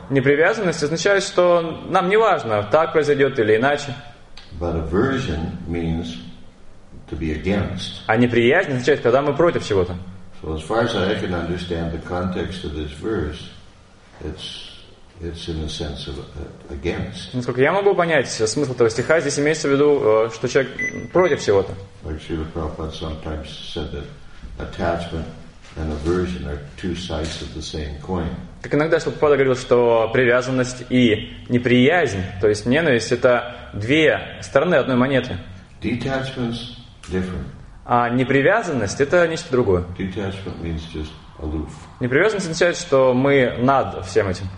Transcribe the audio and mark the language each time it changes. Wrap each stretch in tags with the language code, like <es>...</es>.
<ru>Непривязанность означает, что нам не важно, так произойдет или иначе.</ru> <en>But aversion means to be against.</en> <ru>А неприязнь означает, когда мы против чего-то.</ru> <en>So as far as I can understand the context of this verse, it's in the sense of against.</en> <ru>Насколько я могу понять смысл этого стиха, здесь имеется в виду, что человек против чего-то.</ru> <en>Like Śrīla Prabhupāda sometimes said that attachment and aversion are two sides of the same coin.</en> <ru>Как иногда Śrīla Prabhupāda говорил, что привязанность и неприязнь, то есть ненависть, это две стороны одной монеты.</ru> <en>Detachment's different.</en> <ru>А непривязанность это нечто другое.</ru> <en>Detachment means just aloof.</en> <ru>Непривязанность означает, что мы над всем этим.</ru>